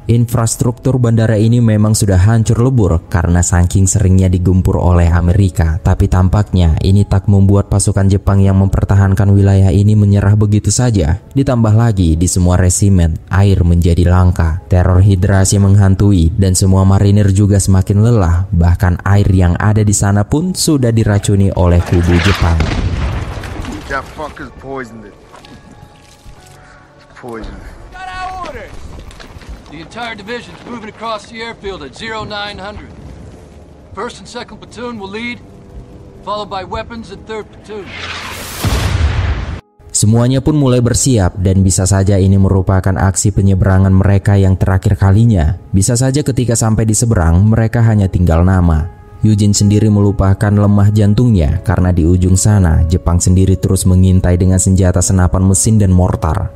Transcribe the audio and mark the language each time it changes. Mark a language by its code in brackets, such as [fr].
[id] Infrastruktur bandara ini memang sudah hancur lebur karena saking seringnya digempur oleh Amerika, tapi tampaknya ini tak membuat pasukan Jepang yang mempertahankan wilayah ini menyerah begitu saja. Ditambah lagi, di semua resimen, air menjadi langka, teror hidrasi menghantui, dan semua marinir juga semakin lelah, bahkan air yang ada di sana pun sudah diracuni oleh kubu Jepang. [en] That fucker's poisoned it. Poisoned. Got our orders. The entire division's moving across the airfield at 0900. First and second platoon will lead, followed by weapons and third platoon. [id] Semuanya pun mulai bersiap dan bisa saja ini merupakan aksi penyeberangan mereka yang terakhir kalinya. Bisa saja ketika sampai di seberang mereka hanya tinggal nama. Eugene sendiri melupakan lemah jantungnya karena di ujung sana Jepang sendiri terus mengintai dengan senjata senapan mesin dan mortar.